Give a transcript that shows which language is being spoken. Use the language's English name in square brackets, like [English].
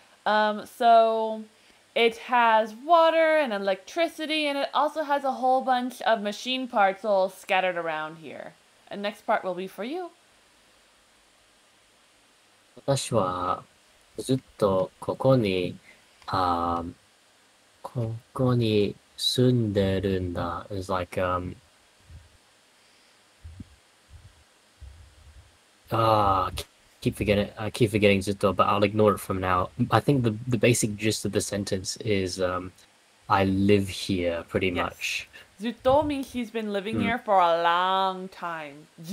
[English] So it has water and electricity, and it also has a whole bunch of machine parts all scattered around here. And next part will be for you. [Japanese] 私はずっとここに、ここに住んでるんだ。 [English] It's like, I keep forgetting ずっと, but I'll ignore it from now. I think the basic gist of the sentence is, I live here pretty Yes. much. Zutto means he's been living here for a long time.